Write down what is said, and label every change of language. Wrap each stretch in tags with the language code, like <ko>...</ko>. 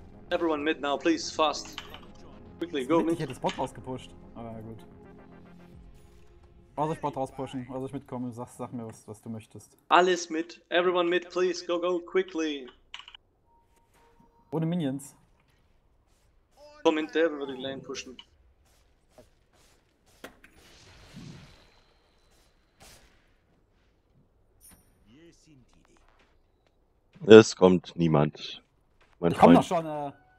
<en>Everyone mid now, please, fast. Quickly, go mid.</en> <de>Ich hätte Spot rausgepusht, aber ja, gut. Also ich Spot rauspushen, also ich mitkomme, sag mir was du möchtest. Alles mit,</de> <en>everyone mid, please, go quickly.</en> <de>Ohne Minions. Komm hinterher, wir würden die Lane pushen. Es kommt niemand. Mein ich Freund. Komm doch schon,</de>